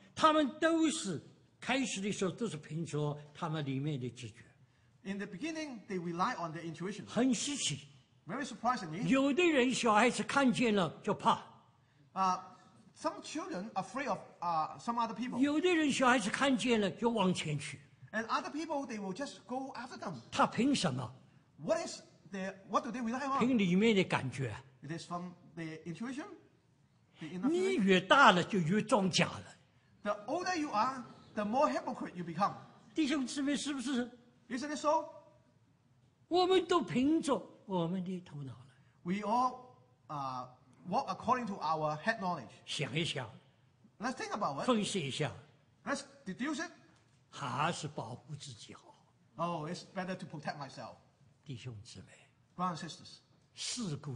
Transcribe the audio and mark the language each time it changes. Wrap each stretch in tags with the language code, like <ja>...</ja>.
<zh>他们都是开始的时候都是凭着他们里面的直觉,</zh> <en>in the beginning they rely on their intuition.</en> <zh>很稀奇,</zh> <en>very surprisingly,</en> <zh>有的人小孩子看见了就怕,</zh> <en>some children are afraid of some other people.</en> <zh>有的人小孩子看见了就往前去,</zh> <en>and other people, they will just go after them.</en> <zh>他凭什么?</zh> <en>What do they rely on?</en> <zh>凭里面的感觉,</zh> <en>it is from the intuition.</en> <zh>你越大了就越装假了,</zh> <en>the older you are, the more hypocrite you become.</en> <zh>弟兄姊妹是不是?</zh> <en>Isn't it so?</en> <zh>我们都凭着我们的头脑了,</zh> <en>we all walk according to our head knowledge.</en> <zh>想一想,</zh> <en>let's think about it.</en> <zh>分析一下,</zh> <en>let's deduce it.</en> <zh>还是保护自己好,</zh> <en>oh, it's better to protect myself.</en> <zh>弟兄姊妹,</zh> <en>brothers and sisters,</en>